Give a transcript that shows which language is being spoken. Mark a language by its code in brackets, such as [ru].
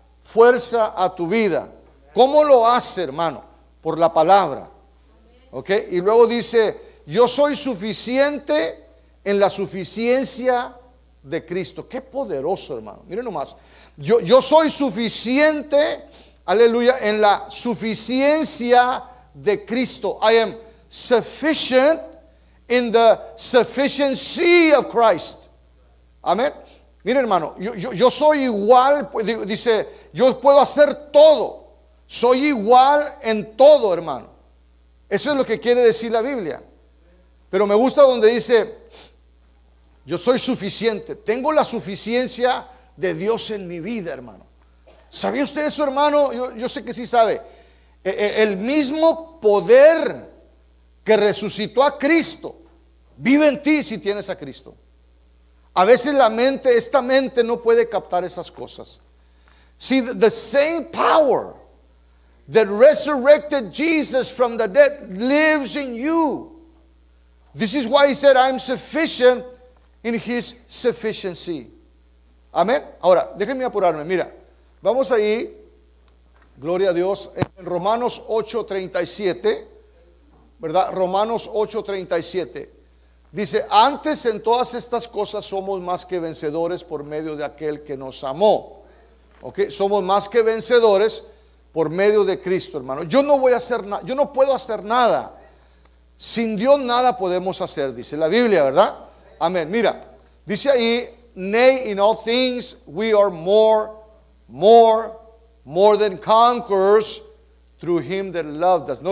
[es] fuerza a tu vida. ¿Cómo lo hace, hermano? Por la palabra. ¿Ok? Y luego dice, yo soy suficiente en la suficiencia de Cristo. Qué poderoso, hermano. Miren nomás. Yo soy suficiente, aleluya, en la suficiencia de Cristo. [en] I am sufficient in the sufficiency of Christ. [es] Amén. Mire, hermano, yo soy igual, dice, yo puedo hacer todo. Soy igual en todo, hermano. Eso es lo que quiere decir la Biblia. Pero me gusta donde dice, yo soy suficiente. Tengo la suficiencia de Dios en mi vida, hermano. ¿Sabía usted eso, hermano? Yo sé que sí sabe. El mismo poder que resucitó a Cristo vive en ti si tienes a Cristo. A veces la mente, esta mente no puede captar esas cosas. [en] See, the same power that resurrected Jesus from the dead lives in you. This is why he said, I'm sufficient in his sufficiency. [es] Amén. Ahora, déjenme apurarme. Mira, vamos ahí, gloria a Dios, en Romanos 8:37, ¿verdad? Romanos 8:37. Dice, antes en todas estas cosas somos más que vencedores por medio de aquel que nos amó. Ok, somos más que vencedores por medio de Cristo, hermano. Yo no voy a hacer nada, yo no puedo hacer nada. Sin Dios nada podemos hacer, dice la Biblia, ¿verdad? Amén. Mira, dice ahí, [en] nay, in all things we are more than conquerors through him that loved us.